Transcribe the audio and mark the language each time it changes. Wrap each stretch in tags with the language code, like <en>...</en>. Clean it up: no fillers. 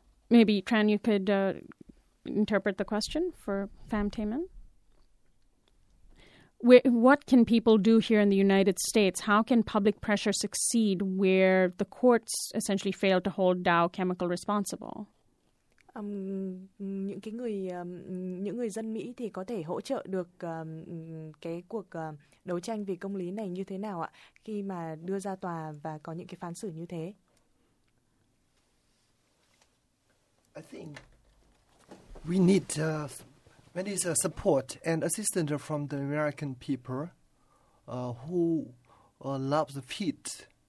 <en>Maybe, Tran, you could interpret the question for Pham Thi Minh. What can people do here in the United States? How can public pressure succeed where the courts essentially failed to hold Dow Chemical responsible?</en> <vi>Những người dân Mỹ thì có thể hỗ trợ được cái cuộc đấu tranh vì công lý này như thế nào ạ? Khi mà đưa ra tòa và có những cái phán xử như thế.</vi> <en>I think we need many support and assistance from the American people who love the feet.</en>